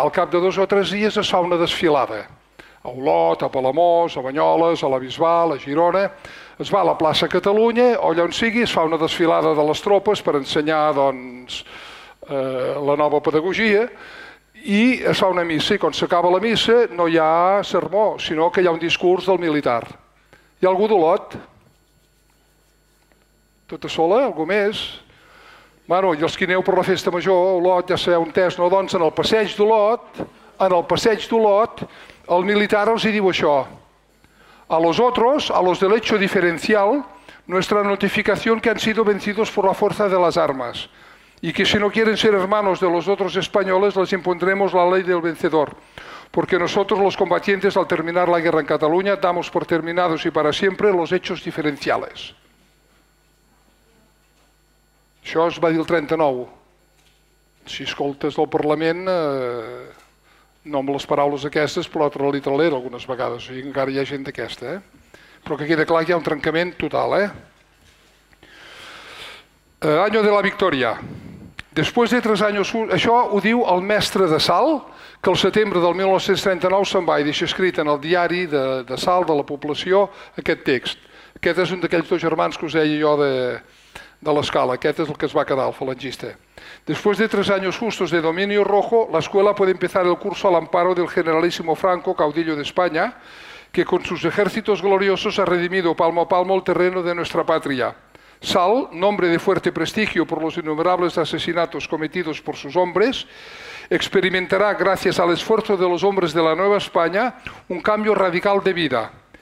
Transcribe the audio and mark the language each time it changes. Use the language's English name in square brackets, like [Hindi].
[Catalan] Al cap de 2 o 3 dies es fa una desfilada. A Olot, a Palamós, a Banyoles, a la Bisbal, a Girona, es va a la plaça Catalunya, o allà on sigui, es fa una desfilada de les tropes per ensenyar doncs, la nova pedagogia, i es fa una missa, i quan s'acaba la missa no hi ha sermó, sinó que hi ha un discurs del militar. Hi ha algú d'Olot? Tota sola? Algú més? Bueno, i els que aneu per la festa major, Olot, ja sabeu un test, no? Doncs en el passeig d'Olot, en el passeig d'Olot, el militar els hi diu això. [Spanish] A los otros, a los del hecho diferencial, nuestra notificación que han sido vencidos por la fuerza de las armas y que si no quieren ser hermanos de los otros españoles, les impondremos la ley del vencedor. Porque nosotros, los combatientes, al terminar la guerra en Cataluña, damos por terminados y para siempre los hechos diferenciales. [Catalan] Això es va dir el 39. Si escoltes del Parlament, no amb les paraules aquestes, però altra literalera algunes vegades, o sigui, encara hi ha gent d'aquesta. Però que queda clar que hi ha un trencament total. [Spanish] Año de la victoria. Después de 3 años... [Catalan] Això ho diu el mestre de Salt, que el setembre del 1939 se'n va i deixa escrit en el diari de Salt, de la població, aquest text. Aquest és un d'aquells dos germans que us deia jo de l'escala. Aquest és el que es va quedar, el falangista. [Spanish] Después de 3 años justos de dominio rojo, la escuela puede empezar el curso al amparo del generalísimo Franco, caudillo de España, que con sus ejércitos gloriosos ha redimido palmo a palmo el terreno de nuestra patria. Salt, nombre de fuerte prestigio por los innumerables asesinatos cometidos por sus hombres, experimentará, gracias al esfuerzo de los hombres de la Nueva España, un cambio radical de vida.